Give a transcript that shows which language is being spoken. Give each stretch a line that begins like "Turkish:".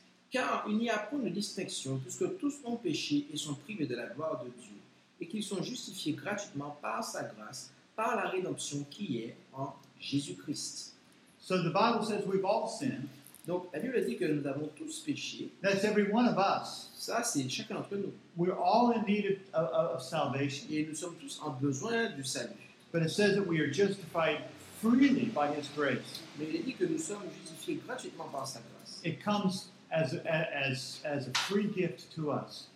French: Car il n'y a point de distinction, puisque tous ont péché et sont privés de la gloire de Dieu. Et qu'ils sont justifiés gratuitement par sa grâce, par la rédemption qui est en Jésus-Christ.
English: So the Bible says we've all sinned.
French: Donc la Bible dit que nous avons tous péché.
English: That's every one of us.
French: Ça, c'est chacun d'entre nous.
English: We're all in need of salvation.
French: Et nous sommes tous en besoin du salut.
English: But it says that we are justified freely by His grace.
French: Mais il est dit que nous sommes justifiés gratuitement par sa grâce.
English: It comes as a free gift to us.